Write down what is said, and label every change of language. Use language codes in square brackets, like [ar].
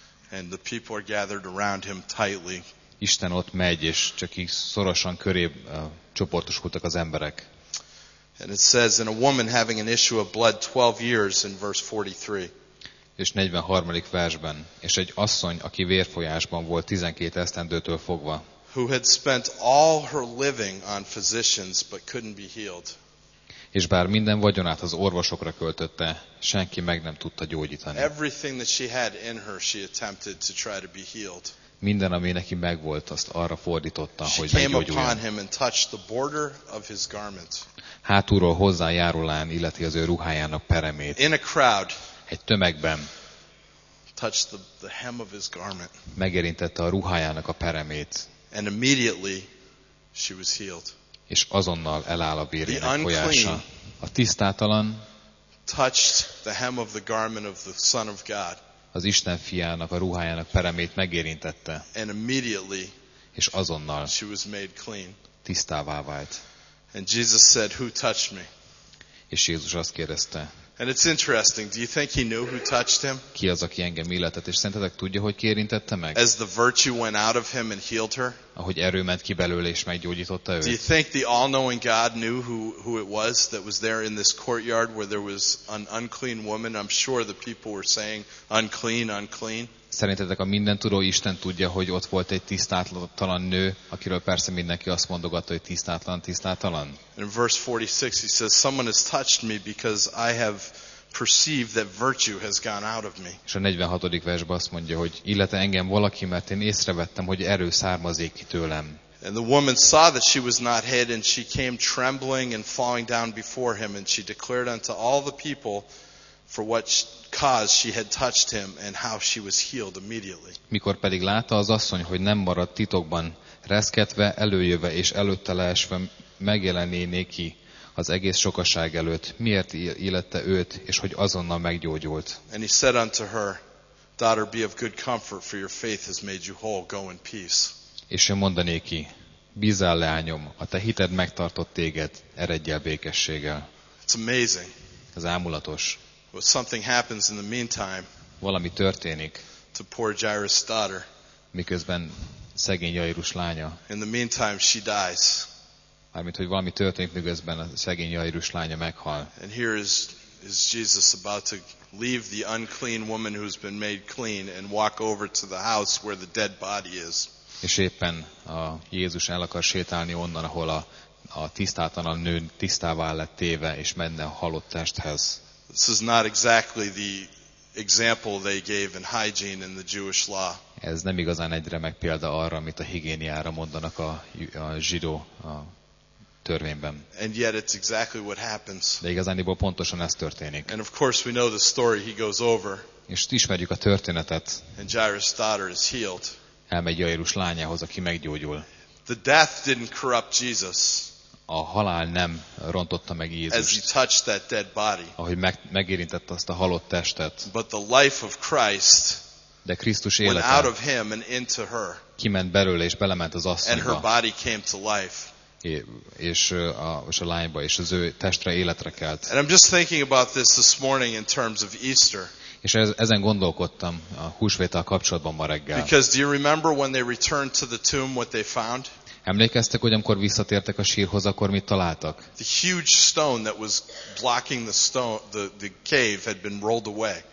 [en] And the people are gathered around him tightly. [hu] Isten ott megy, és csak így szorosan köré csoportosultak az emberek. [en] And it says in a woman having an issue of blood 12 years in verse 43. [hu] És 43. versben, és egy asszony, aki vérfolyásban volt 12 esztendőtől fogva. [en] Who had spent all her living on physicians but couldn't be healed. [hu] És bár minden vagyonát az orvosokra költötte, senki meg nem tudta gyógyítani. [en] Everything that she had in her she attempted to try to be healed. [hu] Minden, ami neki megvolt, azt arra fordította, [en] she [hu] hogy meggyógyuljon. [en] Came upon him and touched the border of his garment. [hu] Hátulról hozzájárulán illeti az ő ruhájának peremét. [en] In a crowd. [hu] Egy tömegben. [en] Touched the hem of his garment. [hu] Megérintette a ruhájának a peremét. [en] And immediately she was healed. [hu] És azonnal eláll a vérének [en] the [hu] folyása. A tisztátalan [en] touched the hem of the garment of the Son of God. [hu] az Isten fiának a ruhájának peremét megérintette. [en] And immediately, [hu] és azonnal [en] she was made clean. [hu] Tisztává vált. [en] And Jesus said, "Who touched me?" [hu] És Jézus azt kérdezte. [en] And it's interesting. Do you think he knew who touched him? [hu] Ki az, aki engem illetett, és szerintetek tudja, hogy ki érintette meg? [en] As the virtue went out of him and healed her. [hu] Ahogy erő ment ki belőle és meggyógyította őt. [en] Do you think the all-knowing God knew who it was that was there in this courtyard where there was an unclean woman? I'm sure the people were saying unclean, unclean. [hu] Szerintetek a mindentudó Isten tudja, hogy ott volt egy tisztátalan nő, akiről persze mindenki azt mondogatta, hogy tisztátlan, tisztátalan. [en] In verse 46 he says, "Someone has touched me because I have perceived that virtue has gone out of me." [hu] És a 46. versben azt mondja, hogy illete engem valaki, mert én észrevettem, hogy erő származik ki tőlem. [en] And the woman saw that she was not hid, and she came trembling and falling down before him, and she declared unto all the people for what cause she had touched him and how she was healed immediately. [hu] Mikor pedig látta az asszony, hogy nem maradt titokban, reszketve előjöve és előtte leesve megjelené néki az egész sokaság előtt, miért illette őt, és hogy azonnal meggyógyult. [en] And he said unto her, "Daughter, be of good comfort, for your faith has made you whole. Go in peace." [hu] És ő mondaná neki, bízzál, leányom, a te hited megtartott téged, eredj el békességgel. [en] It's amazing. [hu] Ez ámulatos. [en] Well, something happens in the meantime. [hu] Valami történik. [en] To poor Jairus' daughter. [hu] Miközben szegény Jairus lánya. [en] In the meantime, she dies. [hu] Mármint, hogy valami történik, miközben a szegény Jairus lánya meghal. [en] And here is Jesus about to leave the unclean woman who's been made clean and walk over to the house where the dead body is. [hu] És éppen a Jézus el akar sétálni onnan, ahol a tisztátalan nő tisztává lett téve, és menne a halott testhez. [en] This is not exactly the example they gave in hygiene in the Jewish law. [hu] Ez nem igazán egy remek példa arra, amit a higiéniára mondanak a zsidó a törvényben. [en] And yet it's exactly what happens. [hu] De igazániból pontosan ez történik. [en] And of course we know the story, he goes over. [hu] És ismerjük a történetet. [en] And Jairus' daughter is healed. [hu] Elmegy Jairus lányához, aki meggyógyul. [en] The death didn't corrupt Jesus. [hu] A halál nem rontotta meg Jézust. [en] As he touched that dead body. [hu] Ahogy megérintette azt a halott testet. [en] But the life of Christ. [hu] De Krisztus élete. [en] Went out of him and into her. [hu] Kiment belőle és belement az asszonyba. [en] And her body came to life. [hu] És a lányba és az ő testre életre kelt. [en] And I'm just thinking about this morning in terms of Easter. [hu] És ezen gondolkodtam a húsvéttel kapcsolatban ma reggel. [en] Because do you remember when they returned to the tomb what they found? [hu] Emlékeztek, hogy amikor visszatértek a sírhoz, akkor mit találtak? [en] The huge stone that was blocking the stone, the cave had been rolled away.